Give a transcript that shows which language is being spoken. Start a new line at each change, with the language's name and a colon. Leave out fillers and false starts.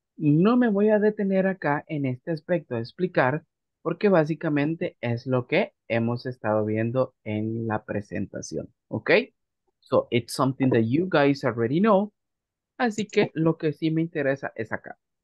Spanish: No me voy a detener acá en este aspecto a explicar porque básicamente es lo que hemos estado viendo en la presentación.
English: Okay. So, it's something that you guys already know.
Spanish: Así que lo que sí me interesa es acá.